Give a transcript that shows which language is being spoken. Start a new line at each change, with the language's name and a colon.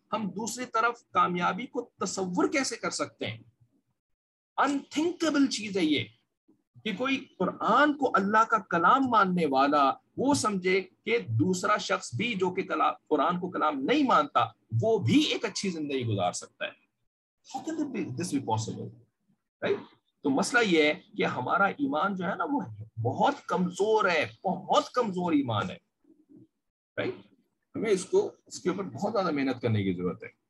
Urdu: ہم دوسری طرف کامیابی کو تصور کیسے کر سکتے ہیں, انتھنکبل چیز ہے یہ کہ کوئی قرآن کو اللہ کا کلام ماننے والا وہ سمجھے کہ دوسرا شخص بھی جو کہ قرآن کو کلام نہیں مانتا وہ بھی ایک اچھی زندگی گزار سکتا ہے.
English: How can this be possible? Right?
Urdu: تو مسئلہ یہ ہے کہ ہمارا ایمان جو ہے نا وہ بہت کمزور ہے, بہت کمزور ایمان ہے, ہمیں اس کو, اس کے اوپر بہت زیادہ محنت کرنے کی ضرورت ہے.